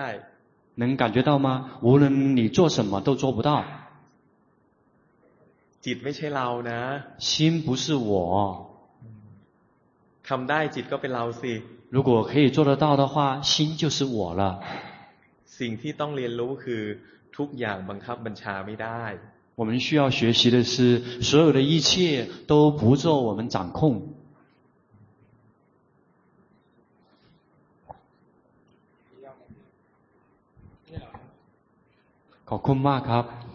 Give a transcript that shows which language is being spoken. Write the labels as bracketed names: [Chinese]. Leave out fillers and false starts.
[Chinese] 能感觉到吗无论你做什么都做不到 [Thai] จิตไม่ใช่เรานะ [Chinese] 心不是我 [Thai] ทำได้จิตก็เป็นเราสิ [Chinese] 如果可以做得到的话心就是我了 [Thai] สิ่งที่ต้องเรียนรู้คือทุกอย่างบังคับบัญชาไม่ได้ [Chinese] 我们需要学习的是所有的一切都不受我们掌控 [Thai] ขอบคุณมากครับ